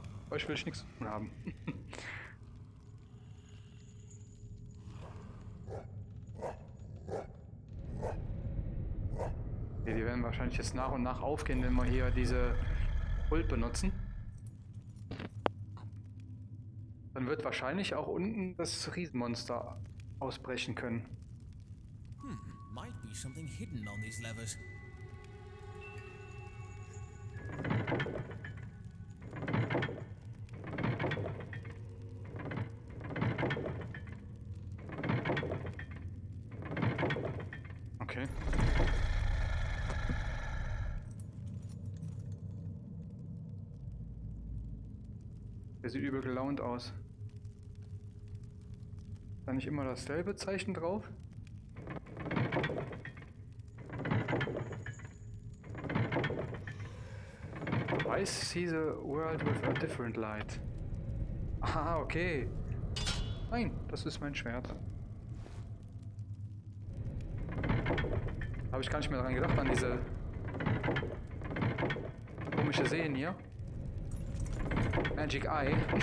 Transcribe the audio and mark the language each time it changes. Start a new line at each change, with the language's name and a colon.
German: Euch will ich nichts zu tun haben. Okay, die werden wahrscheinlich jetzt nach und nach aufgehen, wenn wir hier diese Pult benutzen. Dann wird wahrscheinlich auch unten das Riesenmonster ausbrechen können.
English: Might be something hidden on these levers.
German: Sieht übel gelaunt aus. Da nicht immer dasselbe Zeichen drauf? Wobei,
English: eyes see the world with a different light.
German: Ah, okay. Nein, das ist mein Schwert. Habe ich gar nicht mehr daran gedacht, an diese komische Sehen hier. Magic Eye.